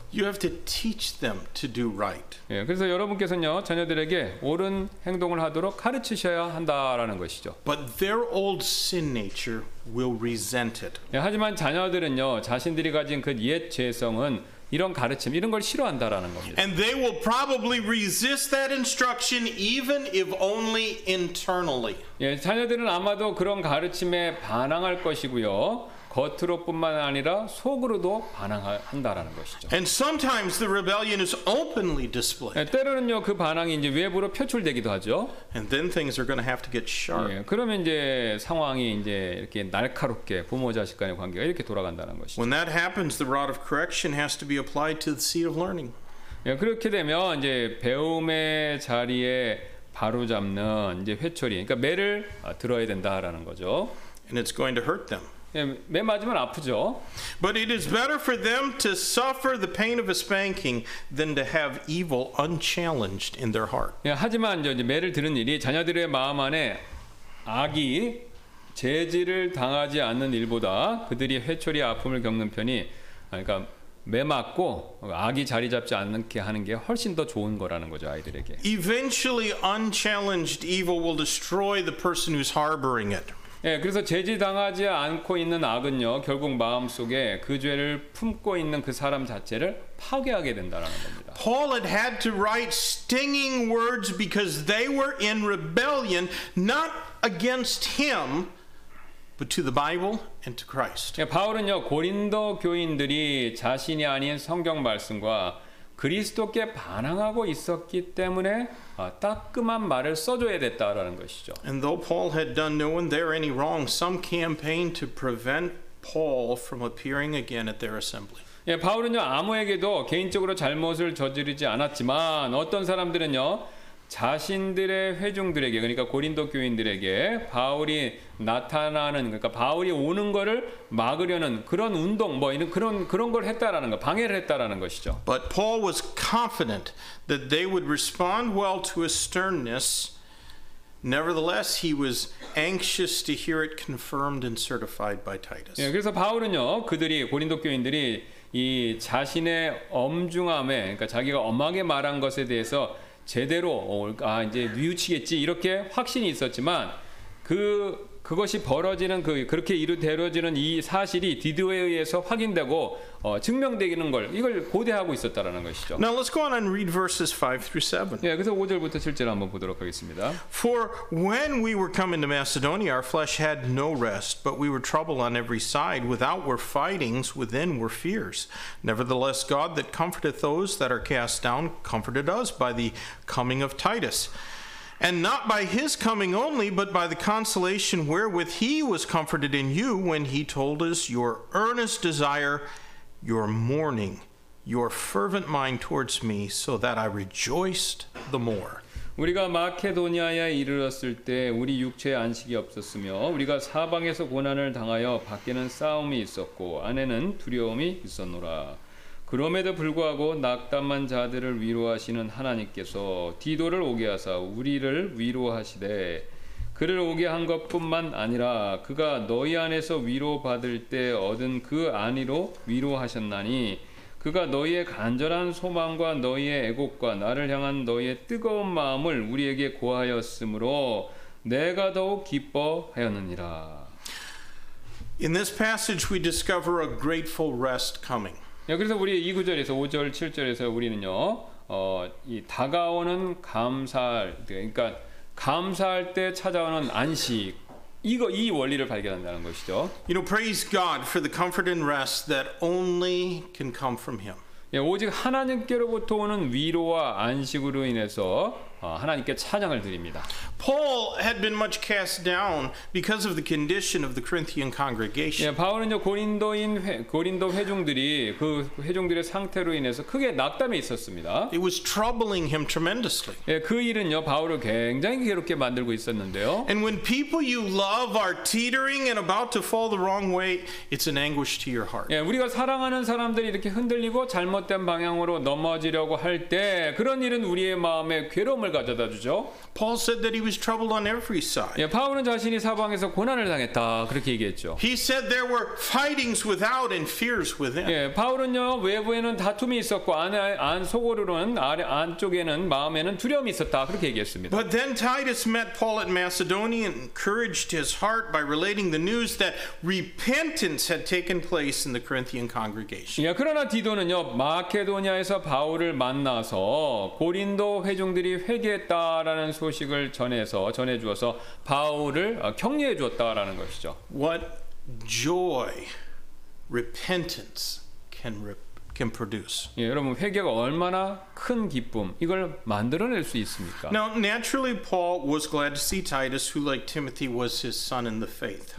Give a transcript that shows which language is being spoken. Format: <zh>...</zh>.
<en>You have to teach them to do right.</en> <ko>예, 그래서 여러분께서는요 자녀들에게 옳은 행동을 하도록 가르치셔야 한다라는 것이죠.</ko> <en>But their old sin nature will resent it.</en> <ko>예, 하지만 자녀들은요 자신들이 가진 그 옛 죄성은 이런 가르침 이런 걸 싫어한다라는 겁니다.</ko> <en>And they will probably resist that instruction even if only internally.</en> <ko>예, 자녀들은 아마도 그런 가르침에 반항할 것이고요. 겉으로뿐만 아니라 속으로도 반항한다라는 것이죠.</ko> <en>And sometimes the rebellion is openly displayed.</en> <ko>예, 때로는요 그 반항이 이제 외부로 표출되기도 하죠.</ko> <en>And then things are going to have to get sharp.</en> <ko>예, 그러면 이제 상황이 이제 이렇게 날카롭게 부모 자식 간의 관계가 이렇게 돌아간다는 것이죠.</ko> <en>When that happens, the rod of correction has to be applied to the seat of learning.</en> <ko>예, 그렇게 되면 이제 배움의 자리에 바로 잡는 이제 회초리, 그러니까 매를 들어야 된다라는 거죠.</ko> <en>And it's going to hurt them.</en> <ko>예, 맨 마지막은 아프죠.</ko> <en>But it is better for them to suffer the pain of a spanking than to have evil unchallenged in their heart.</en> <ko>예, 하지만 이제 매를 드는 일이 자녀들의 마음 안에 악이 제지를 당하지 않는 일보다 그들이 회초리 아픔을 겪는 편이 그러니까 매 맞고 악이 자리 잡지 않게 하는 게 훨씬 더 좋은 거라는 거죠, 아이들에게.</ko> <en>Eventually unchallenged evil will destroy the person who's harboring it.</en> <ko>예, 그래서 제지당하지 않고 있는 악은요, 결국 마음 속에 그 죄를 품고 있는 그 사람 자체를 파괴하게 된다라는 겁니다.</ko> <en>Paul had had to write stinging words because they were in rebellion, not against him, but to the Bible and to Christ.</en> <ko>예, 바울은요, 고린도 교인들이 자신이 아닌 성경 말씀과 그리스도께 반항하고 있었기 때문에 따끔한 말을 써줘야 됐다라는 것이죠.</ko> <en>And though Paul had done no one there any wrong, some campaign to prevent Paul from appearing again at their assembly.</en> <ko>예, 바울은요 아무에게도 개인적으로 잘못을 저지르지 않았지만 어떤 사람들은요 자신들의 회중들에게 그러니까 고린도 교인들에게 바울이 나타나는 그러니까 바울이 오는 거를 막으려는 그런 운동 뭐 이런 그런 걸 했다라는 거 방해를 했다라는 것이죠.</ko> <en>But Paul was confident that they would respond well to his sternness. Nevertheless, he was anxious to hear it confirmed and certified by Titus.</en> <ko>예, 그래서 바울은요 그들이 고린도 교인들이 이 자신의 엄중함에 그러니까 자기가 엄하게 말한 것에 대해서 제대로 이제 뉘우치겠지 이렇게 확신이 있었지만 그것이 벌어지는 그렇게 이루어지는 이 사실이 디드웨이에서 확인되고 증명되기는 걸 이걸 고대하고 있었다라는 것이죠.</ko> <en>Now let's go on and read verses 5 through 7.</en> <ko>예, 그래서 5절부터 7절 한번 보도록 하겠습니다.</ko> <en>For when we were come into Macedonia, our flesh had no rest, but we were troubled on every side. Without were fightings, within were fears. Nevertheless, God that comforteth those that are cast down comforted us by the coming of Titus. And not by his coming only, but by the consolation wherewith he was comforted in you when he told us your earnest desire, your mourning, your fervent mind towards me, so that I rejoiced the more.</en> <ko>우리가 마케도니아에 이르렀을 때 우리 육체에 안식이 없었으며 우리가 사방에서 고난을 당하여 밖에는 싸움이 있었고 안에는 두려움이 있었노라. 그럼에도 불구하고 낙담한 자들을 위로하시는 하나님께서 디도를 오게 하사 우리를 위로하시되 그를 오게 한 것뿐만 아니라 그가 너희 안에서 위로받을 때 얻은 그 안위로 위로하셨나니 그가 너희의 간절한 소망과 너희의 애곡과 나를 향한 너희의 뜨거운 마음을 우리에게 고하였으므로 내가 더욱 기뻐하였느니라.</ko> <en>In this passage we discover a grateful rest coming.</en> <ko>그래서 우리 이 구절에서 5절 7절에서 우리는요 이 다가오는 감사할 그러니까 감사할 때 찾아오는 안식 이거 이 원리를 발견한다는 것이죠.</ko> <en>You know, praise God for the comfort and rest that only can come from Him.</en> <ko>예, 오직 하나님께로부터 오는 위로와 안식으로 인해서 하나님께 찬양을 드립니다.</ko> <en>Paul had been much cast down because of the condition of the Corinthian congregation.</en> <ko>예, 바울은요 고린도 회중들이 그 회중들의 상태로 인해서 크게 낙담해 있었습니다.</ko> <en>It was troubling him tremendously.</en> <ko>예, 그 일은요 바울을 굉장히 괴롭게 만들고 있었는데요.</ko> <en>And when people you love are teetering and about to fall the wrong way, it's an anguish to your heart.</en> <ko>예, 우리가 사랑하는 사람들이 이렇게 흔들리고 잘못된 방향으로 넘어지려고 할 때 그런 일은 우리의 마음에 괴로</ko> <en>Paul said that he was troubled on every side.</en> <ko>예, 바울은 자신이 사방에서 고난을 당했다 그렇게 얘기했죠.</ko> <en>He said there were fightings without and fears within.</en> <ko>예, 바울은요 외부에는 다툼이 있었고 안 속으로는 안쪽에는 마음에는 두려움이 있었다 그렇게 얘기했습니다.</ko> <en>But then Titus met Paul at Macedonia and encouraged his heart by relating the news that repentance had taken place in the Corinthian congregation.</en> <ko>예, 그러나 디도는요 마케도니아에서 바울을 만나서 고린도 회중들이 회개했다라는 소식을 전해주어서 바울을 격려해 주었다라는 것이죠.</ko> <en>What joy repentance can produce.</en> <ko>예, 여러분 회개가 얼마나 큰 기쁨 이걸 만들어낼 수 있습니까?</ko> <en>Now naturally Paul was glad to see Titus who like Timothy was his son in the faith.</en>